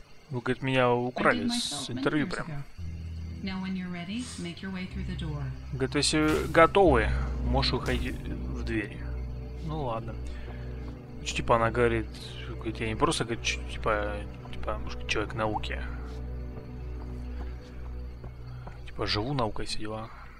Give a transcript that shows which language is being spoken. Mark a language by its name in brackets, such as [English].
[Russian] Вы, говорит, меня украли с интервью прям. [English] Now when you're ready, make your way through the door. [Russian] Говорит, если готовы, можешь уходить в дверь. Ну ладно. Типа она говорит, я не просто, типа, может, человек науки. Типа, живу наукой, все дела.